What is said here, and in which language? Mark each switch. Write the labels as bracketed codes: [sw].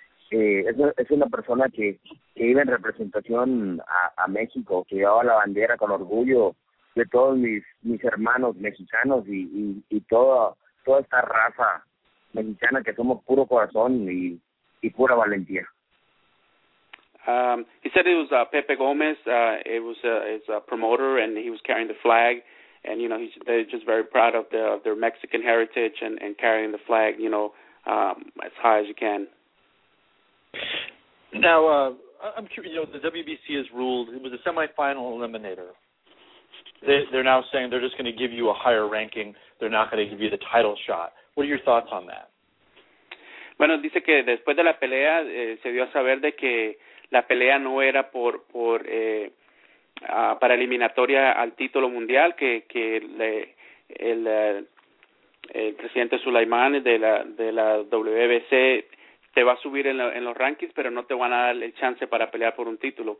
[es] Es una persona que iba en representación a México, que llevaba la bandera con orgullo de todos mis hermanos mexicanos y toda esta raza mexicana que somos puro corazón y pura valentía. [en] He said it was Pepe Gómez. It's a promoter, and he was carrying the flag. And, you know, they're just very proud of their Mexican heritage and carrying the flag, you know, as high as you can. Now, I'm curious, you know, the WBC has ruled it was a semifinal eliminator. They're now saying they're just going to give you a higher ranking. They're not going to give you the title shot. What are your thoughts on that? [es] Bueno, dice que después de la pelea se dio a saber de que la pelea no era para eliminatoria al título mundial, que el presidente Sulaimán de la WBC te va a subir en los rankings, pero no te van a dar el chance para pelear por un título.